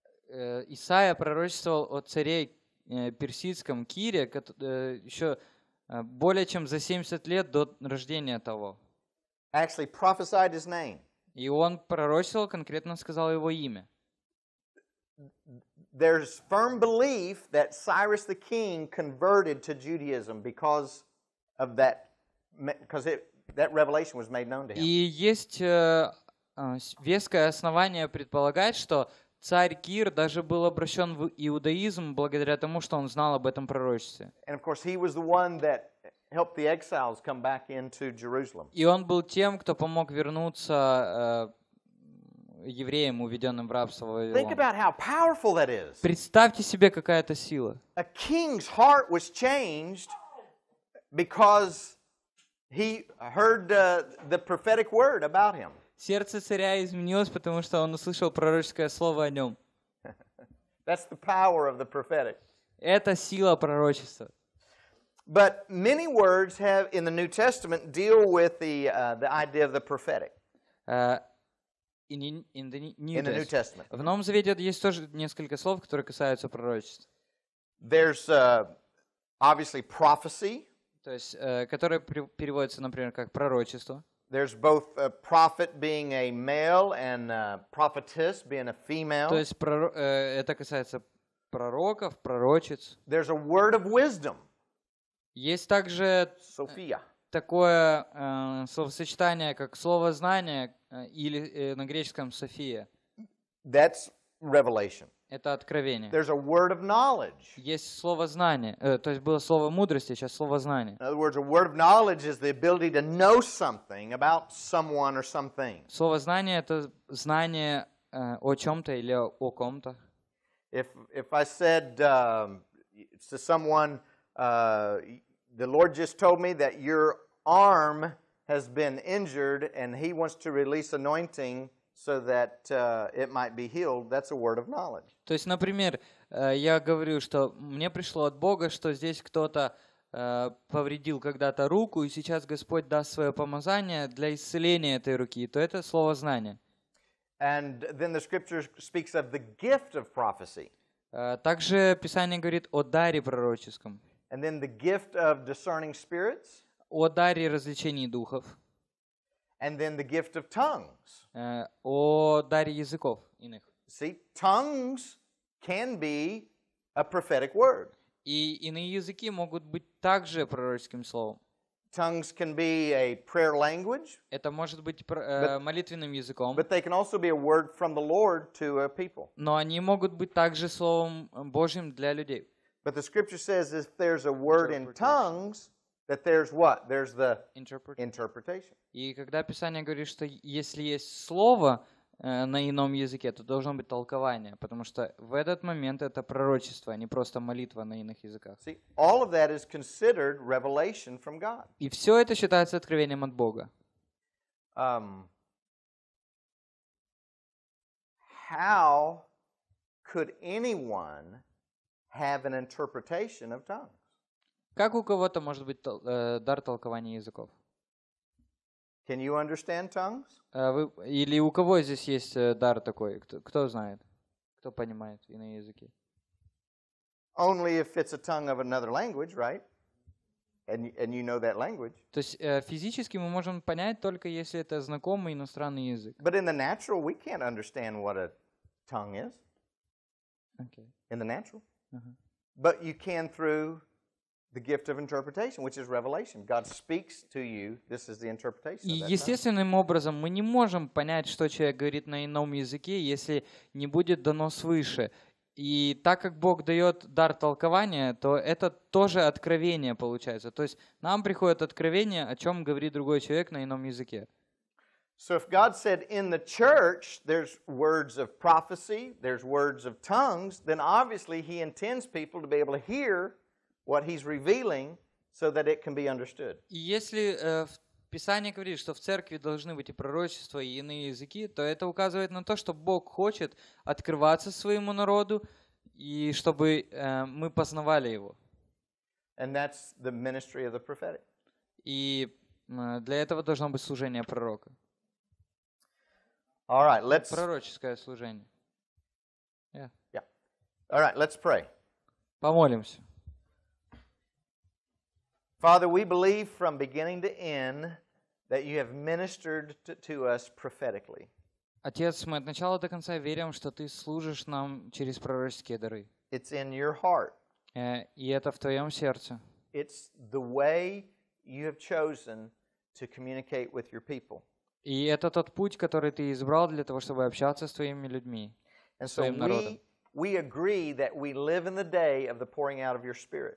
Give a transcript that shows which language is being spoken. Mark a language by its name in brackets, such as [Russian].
[Russian] Исаия пророчествовал о царе персидском Кире еще более чем за 70 лет до рождения того. [English] Actually prophesied his name. [Russian] И он пророчествовал, конкретно сказал его имя. [English] There's firm belief that Cyrus the king converted to Judaism because of that, because that revelation was made known to him. [Russian] И есть веское основание предполагать, что царь Кир даже был обращен в иудаизм благодаря тому, что он знал об этом пророчестве. [English] And of course he was the one that helped the exiles come back into Jerusalem. [Russian] И он был тем, кто помог вернуться евреям, уведенным в рабство в Вавилон. [English] Think about how powerful that is. [Russian] Представьте себе, какая это сила. [English] A king's heart was changed because he heard the prophetic word about him. [Russian] Сердце царя изменилось, потому что он услышал пророческое слово о нем. [English] That's the power of the prophetic. [Russian] Это сила пророчества. [English] But many words have in the New Testament deal with the idea of the prophetic. In the New Testament. [Russian] В Новом Завете есть тоже несколько слов, которые касаются пророчества. [English] There's obviously prophecy. [Russian] То есть, которое переводится, например, как пророчество. [English] There's both a prophet being a male and a prophetess being a female. [Russian] То есть это касается пророков, пророчиц. [English] There's a word of wisdom. [Russian] Есть также София. Такое словосочетание, как слово знания, или на греческом София. [English] That's revelation. [Russian] Это откровение. [English] There's a word of knowledge. [Russian] Есть слово знания, то есть было слово мудрости, сейчас слово знания. [English] In other words, a word of knowledge is the ability to know something about someone or something. [Russian] Слово знания — это знание о чем-то или о ком-то. [English] If I said to someone, the Lord just told me that your arm has been injured and he wants to release anointing so that it might be healed, that's a word of knowledge. [Russian] То есть, например, я говорю, что мне пришло от Бога, что здесь кто-то повредил когда-то руку, и сейчас Господь даст свое помазание для исцеления этой руки, то это слово знания. [English] And then the scripture speaks of the gift of prophecy. [Russian] Также Писание говорит о даре пророческом. [English] And then the gift of discerning spirits. [Russian] О даре различения духов. [English] And then the gift of tongues. [Russian] О даре языков иных. [English] See, tongues can be a prophetic word. [Russian] И иные языки могут быть также пророческим словом. [English] Tongues can be a prayer language. [Russian] Это может быть молитвенным языком. [English] But they can also be a word from the Lord to a people. [Russian] Но они могут быть также словом Божьим для людей. [English] But the scripture says if there's a word in tongues, that there's what? There's the interpretation. [Russian] И когда Писание говорит, что если есть слово на ином языке, то должно быть толкование, потому что в этот момент это пророчество, а не просто молитва на иных языках. [English] See, all of that is considered revelation from God. [Russian] И все это считается откровением от Бога. [English] How could anyone have an interpretation of tongues? [Russian] Как у кого-то может быть дар толкования языков? [English] Can you understand tongues? [Russian] Или у кого здесь есть дар такой? Кто знает? Кто понимает иные языки? [English] Only if it's a tongue of another language, right? And you know that language. [Russian] То есть физически мы можем понять только если это знакомый иностранный язык. [English] But in the natural, we can't understand what a tongue is. Okay. In the natural. But you can through the gift of interpretation, which is revelation. God speaks to you. This is the interpretation. [Russian] И естественным образом мы не можем понять, что человек говорит на ином языке, если не будет дано свыше. И так как Бог дает дар толкования, то это тоже откровение получается. То есть нам приходит откровение, о чем говорит другой человек на ином языке. [English] So if God said in the church there's words of prophecy, there's words of tongues, then obviously He intends people to be able to hear what He's revealing so that it can be understood. [Russian] Если в Писании говорит, что в церкви должны быть и пророчества, и иные языки, то это указывает на то, что Бог хочет открываться своему народу, и чтобы мы познавали его. [English] And that's the ministry of the prophetic. [Russian] И для этого должно быть служение пророка. [English] All right, let's... [Russian] Пророческое служение. [English] Yeah. Yeah. All right, let's pray. [Russian] Помолимся. [English] Father, we believe from beginning to end that you have ministered to us prophetically. [Russian] Отец, мы от начала до конца верим, что ты служишь нам через пророческие дары. [English] It's in your heart. [Russian] И это в твоем сердце. [English] It's the way you have chosen to communicate with your people. [Russian] И это тот путь, который ты избрал для того, чтобы общаться с твоими людьми, [English] and [Russian] с твоим народом. [English] We agree that we live in the day of the pouring out of your spirit.